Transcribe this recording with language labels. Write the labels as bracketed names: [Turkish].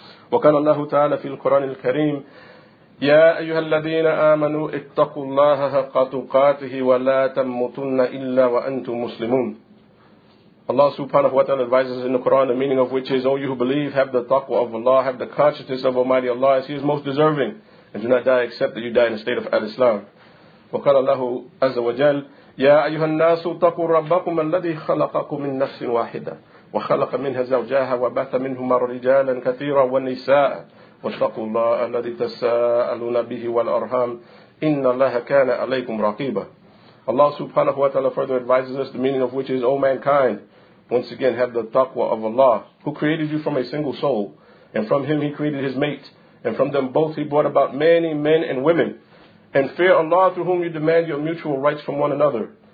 [Arabic] وَكَانَ اللَّهُ تَعَالَى فِي الْقُرَانِ الْكَرِيمِ يَا أَيُّهَا الَّذِينَ آمَنُوا اتَّقُوا اللَّهَ حَقَّ تُقَاتِهِ وَلَا تَمُوتُنَّ إِلَّا وَأَنْتُمْ مُسْلِمُونَ. [English] Allah subhanahu wa ta'ala advises in the Quran, the meaning of which is, O you who believe, have the taqwa of Allah, have the consciousness of Almighty Allah, as He is most deserving, and do not die except that you die in the state of al-Islam. [Arabic] وَكَانَ اللَّهُ عَزَّ وَجَلَّ يَا أَيُّهَا النَّاسُ اتَّقُوا رَبَّكُمُ الَّذِي خَلَقَكُم مِّن نَّفْسٍ وَاحِدَةٍ وخلق منها زوجها وبث منهما رجالا كثيرا ونساء واتقوا الله الذي تساءلون به والأرحام إن الله كان عليكم رقيبا. [English] Allah subhanahu wa ta'ala further advises us, the meaning of which is, O mankind, once again have the taqwa of Allah, who created you from a single soul, and from him he created his mate, and from them both he brought about many men and women, and fear Allah through whom you demand your mutual rights from one another.